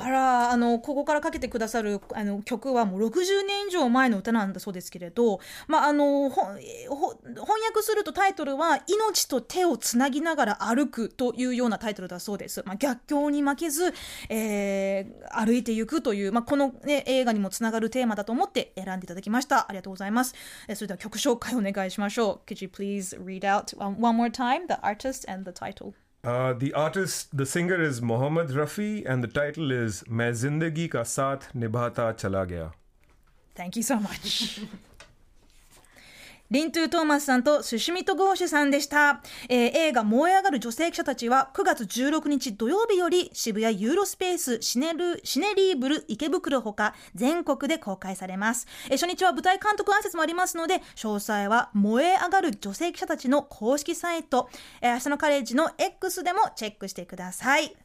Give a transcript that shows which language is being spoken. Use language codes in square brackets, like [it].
[ja] あら、ここからかけてくださる曲はもう60年以上前の歌なんだそうですけれど、翻訳するとタイトルは命と手をつなぎながら歩くというようなタイトルだそうです。逆境に負けず、歩いていくという、この、ね、映画にもつながるテーマだと思って選んでいただきました。ありがとうございます。それでは曲紹介お願いしましょう。 [en] Could you please read out one more time the artist and the title? The artist, the singer is Mohammad Rafi, and the title is Main Zindagi Ka Saath Nibhata Chala Gaya. Thank you so much. [ja] リントゥ・トーマスさんとスシュミット・ゴーシュさんでした、映画燃え上がる女性記者たちは9月16日土曜日より渋谷ユーロスペースシネリーブル池袋ほか全国で公開されます、初日は舞台監督挨拶もありますので、詳細は燃え上がる女性記者たちの公式サイト、明日のカレッジの X でもチェックしてください。